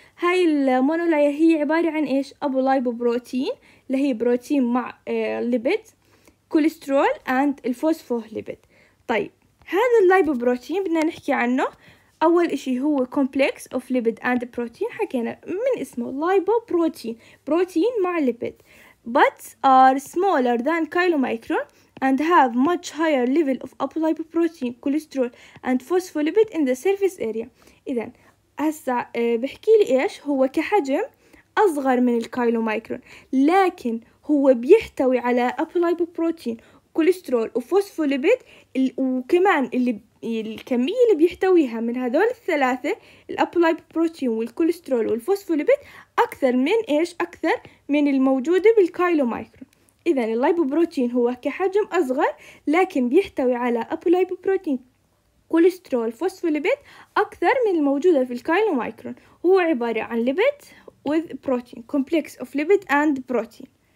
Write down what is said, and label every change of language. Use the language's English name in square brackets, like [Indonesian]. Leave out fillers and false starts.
[Arabic] هاي المونولاير هي عبارة عن ايش؟ ابو لايبوبروتين، اللي هي بروتين مع ليبيد، كوليسترول اند الفوسفوليبيد. طيب هذا اللايبوبروتين بدنا نحكي عنه. اول اشي هو كومبلكس اوف ليبيد اند بروتين، حكينا من اسمه لايبوبروتين، بروتين مع ليبيد. [English] But are smaller than chylomicron and have much higher level of apolipoprotein, cholesterol and phospholipid in the surface area. [Arabic] إذا هسا بحكي لي إيش؟ هو كحجم أصغر من الكايلومايكرون، لكن هو بيحتوي على apolipoprotein, cholesterol وphospholipid، وكمان الكمية اللي بيحتويها من هذول الثلاثة الأبولايبوبروتين والكوليسترول والفوسفوليبيد أكثر من إيش؟ أكثر من الموجودة بالكايلومايكرون. إذن اللايبوبروتين هو كحجم أصغر، لكن بيحتوي على أبولايبوبروتين كوليسترول فوسفوليبيد أكثر من الموجودة في الكايلومايكرون. هو عبارة عن ليبيد [English] with protein، complex of lipid and protein.